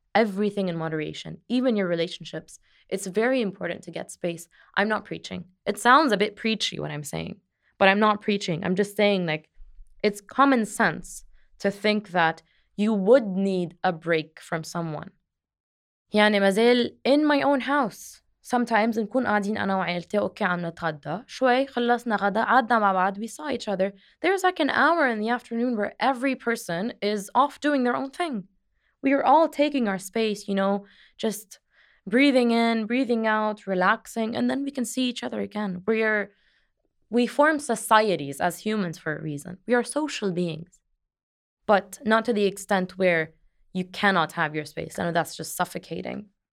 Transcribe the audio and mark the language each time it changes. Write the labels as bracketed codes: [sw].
[en] Everything in moderation, even your relationships. It's very important to get space. I'm not preaching. It sounds a bit preachy what I'm saying, but I'm not preaching. I'm just saying, like, it's common sense to think that you would need a break from someone. [ar] يعني مازال [en] in my own house. [ar] Sometimes نكون قاعدين أنا وعائلتي, أوكي عم نتغدى, شوي خلصنا غدا, قعدنا مع بعض, [en] we saw each other. There's like an hour in the afternoon where every person is off doing their own thing. We are all taking our space, you know, just breathing in, breathing out, relaxing, and then we can see each other again. We form societies as humans for a reason. We are social beings, but not to the extent where you cannot have your space. I know that's just suffocating.